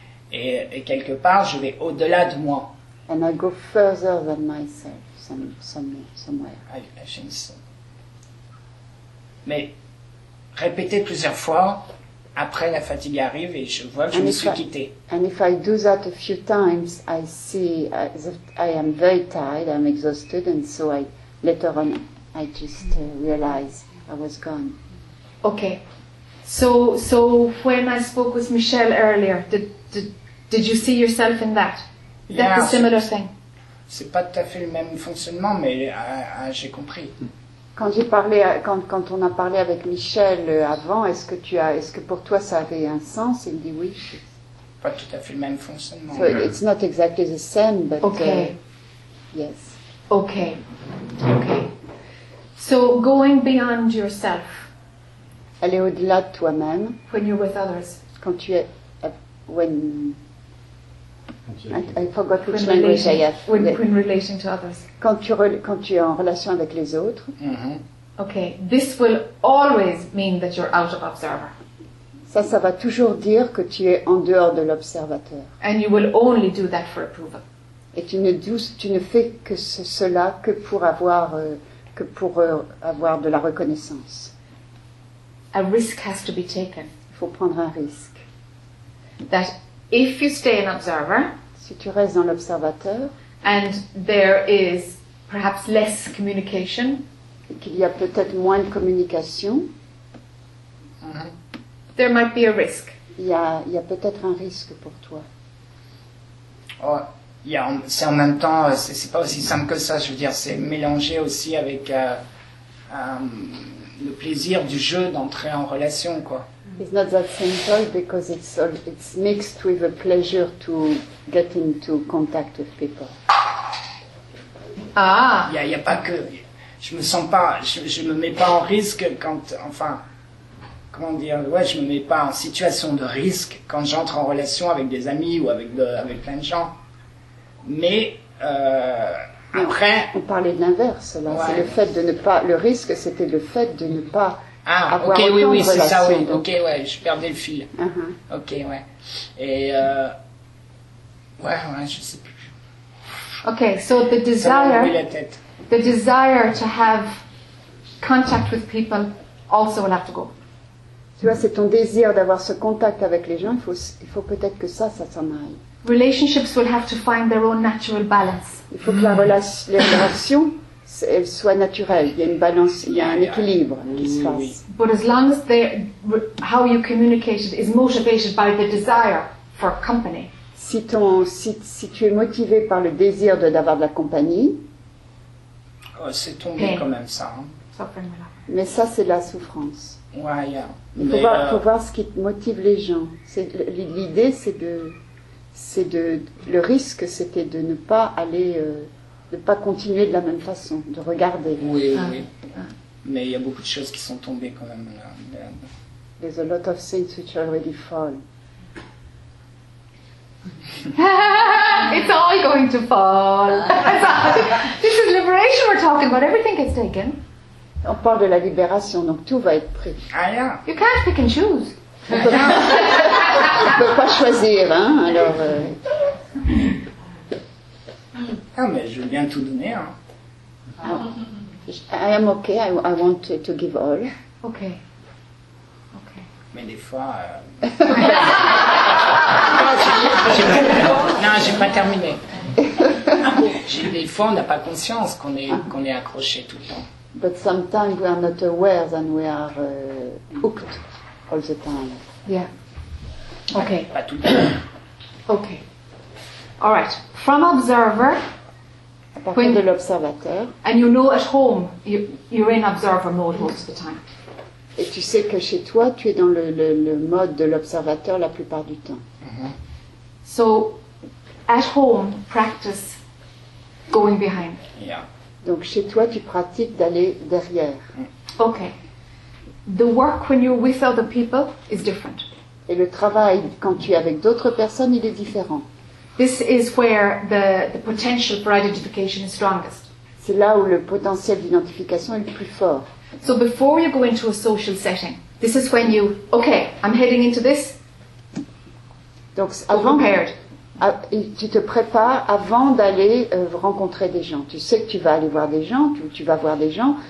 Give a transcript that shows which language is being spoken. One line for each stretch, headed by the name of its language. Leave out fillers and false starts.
French: Et quelque part, je vais au-delà de moi.
English: And I go further than myself, somewhere. I think so.
French: Mais répéter plusieurs fois, après la fatigue arrive et je vois que je me suis quitté.
English: And if I do that a few times, I see that I am very tired, I'm exhausted, and so I later on I just realize I was gone. Okay. So when I spoke with Michelle earlier, did you see yourself in that? Is that a similar thing?
French: C'est pas tout à fait le même fonctionnement, mais j'ai compris. Quand on a parlé avec Michel avant, est-ce que pour toi ça avait un sens? Il dit oui. Pas tout à fait le même fonctionnement.
English: So it's not exactly the same, but okay. Yes. Okay. So going beyond yourself.
French: Aller au-delà de toi-même.
English: When you're with others.
French: Quand tu es
English: when. I forgot which language I have. When relating to others.
French: Quand tu es en relation avec les autres. Mm-hmm.
English: Okay, this will always mean that you're out of observer.
French: Ça va toujours dire que tu es en dehors de l'observateur.
English: And you will only do that for approval.
French: Et tu ne fais que cela que pour avoir que pour avoir de la reconnaissance.
English: A risk has to be taken.
French: Il faut prendre un risque.
English: That if you stay an observer,
French: si tu restes dans l'observateur,
English: and there is perhaps less communication,
French: qu'il y a peut-être moins de communication,
English: there might be a risk.
French: Il y a peut-être un risque pour toi. Oh. Yeah, c'est en même temps, c'est pas aussi simple que ça, je veux dire, c'est mélangé aussi avec le plaisir du jeu d'entrer en relation, quoi.
English: It's not that simple because it's mixed with a pleasure to get into contact with people. Ah!
French: Y a pas que, je me sens pas, je me mets pas en risque quand, enfin, comment dire, ouais, je me mets pas en situation de risque quand j'entre en relation avec des amis ou avec plein de gens. Mais après, on parlait de l'inverse là. Ouais. C'est le fait de ne pas, le risque, c'était le fait de ne pas avoir autant de relations. Ah, ok, oui, c'est ça, oui. Donc... Ok, ouais, je perdais le fil. Ok, ouais. Et ouais, je sais plus.
English: Ok, so the desire,
French: ça m'a oublié la tête.
English: The desire to have contact with people also will have to go.
French: Tu vois, c'est ton désir d'avoir ce contact avec les gens. Il faut peut-être que ça s'en aille.
English: Relationships will have to find their own natural balance.
French: Il faut que les relations soient naturelles. Il y a une balance, il y a un équilibre qui se fasse.
English: But as long as how you communicate is motivated by the desire for company.
French: Si tu es motivé par le désir d'avoir de la compagnie. Oh, c'est tombé pain. Quand même ça. Hein. Mais ça, c'est la souffrance. Ouais, yeah. Il faut voir ce qui motive les gens. L'idée, c'est de le risque, c'était de ne pas aller, de ne pas continuer de la même façon, de regarder. Oui, oui. Ah. Mais il y a beaucoup de choses qui sont tombées quand même.
English: There's a lot of things which already fall. It's all going to fall. This is liberation we're talking about. Everything is taken.
French: On parle de la libération, donc tout va être pris.
English: Ah, yeah. You can't pick and choose.
French: On peut pas choisir, hein, alors... Ah, mais je veux bien tout donner, hein.
English: I am okay, I want to give all. Okay.
French: Mais des fois... j'ai pas terminé. Des fois, on n'a pas conscience qu'on est accroché tout le temps.
English: But sometimes we are not aware that we are hooked all the time. Yeah. Okay. Okay. All right. From observer.
French: À partir de l'observateur.
English: And you know at home you're in observer mode most of the time.
French: Et tu sais que chez toi tu es dans le mode de l'observateur la plupart du temps.
English: Mm-hmm. So at home practice going behind. Yeah.
French: Donc chez toi tu pratiques d'aller derrière.
English: Okay. The work when you're with other people is different.
French: Et le travail quand tu es avec d'autres personnes, il est différent.
English: This is where the potential for identification is strongest.
French: C'est là où le potentiel d'identification est le plus fort.
English: So before you go into a social setting, this is when you, okay, I'm heading into this.
French: Donc avant, tu te prépares avant d'aller rencontrer des gens. Tu sais que tu vas aller voir des gens, tu vas voir des gens.